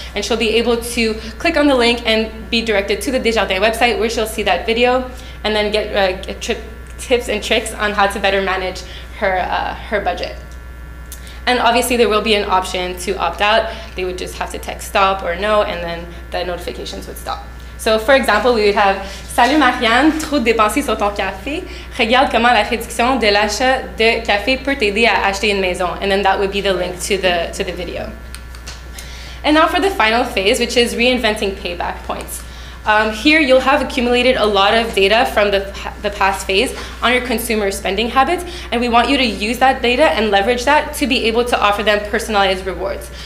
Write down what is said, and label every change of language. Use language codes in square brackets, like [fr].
[en] And she'll be able to click on the link and be directed to the Desjardins website where she'll see that video and then get tips and tricks on how to better manage her budget. And obviously there will be an option to opt out. They would just have to text stop or no, and then the notifications would stop. So for example, we would have, [fr] salut Marianne, trop dépensé sur ton café. Regarde comment la réduction de l'achat de café peut t'aider à acheter une maison. [en] And then that would be the link to the video. And now for the final phase, which is reinventing payback points. Here you'll have accumulated a lot of data from the past phase on your consumer spending habits, and we want you to use that data and leverage that to be able to offer them personalized rewards.